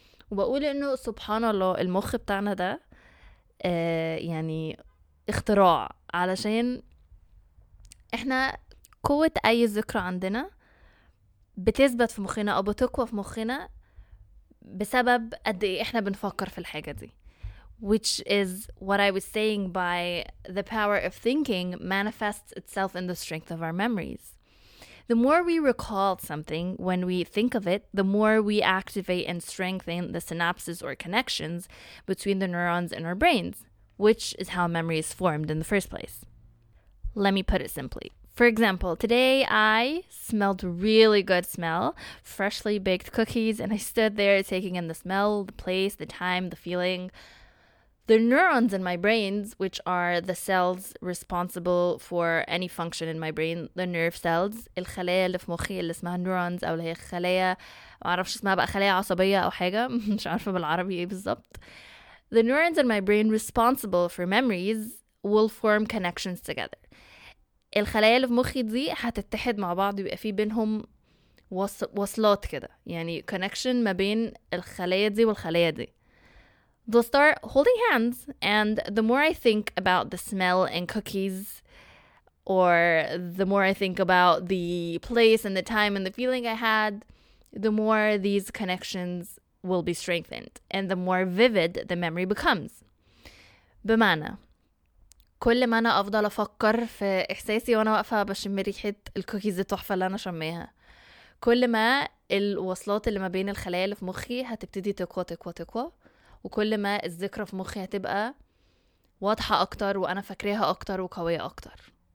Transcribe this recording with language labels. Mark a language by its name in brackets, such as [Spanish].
[Arabic] وبقول إنه سبحان الله المخ بتاعنا ده يعني اختراع, علشان إحنا قوة أي ذكرى عندنا بتثبت في مخنا أو بتقوى في مخنا بسبب قد إيه إحنا بنفكر في الحاجة دي. [English] Which is what I was saying by the power of thinking manifests itself in the strength of our memories. The more we recall something when we think of it, the more we activate and strengthen the synapses or connections between the neurons in our brains, which is how memory is formed in the first place. Let me put it simply. For example, today I smelled really good smell, freshly baked cookies, and I stood there taking in the smell, the place, the time, the feeling. The neurons in my brains, which are the cells responsible for any function in my brain, the nerve cells, [Arabic] الخلايا اللي في مخي اللي اسمها neurons أو اللي هي خلايا, ما أعرفش اسمها بقى خلايا عصبية أو حاجة, مش عارفة بالعربي بالضبط. [English] The neurons in my brain responsible for memories will form connections together. [Arabic] الخلايا اللي في مخي دي هتتحد مع بعض ويبقى في بينهم وصلات كده, يعني connection ما بين الخلايا دي والخلايا دي. [English] they'll start holding hands. And the more I think about the smell and cookies, or the more I think about the place and the time and the feeling I had, the more these connections will be strengthened and the more vivid the memory becomes. [Arabic] بمعنى كل ما أنا أفضل أفكر في إحساسي وأنا واقفة بشم ريحة الكوكيز التحفة اللي أنا شميها، كل ما الوصلات اللي ما بين الخلايا في مخي هتبتدي تقوى تقوى تقوى، وكل ما الذكرى في مخي هتبقى واضحة أكتر وأنا فاكريها أكتر وقوية أكتر.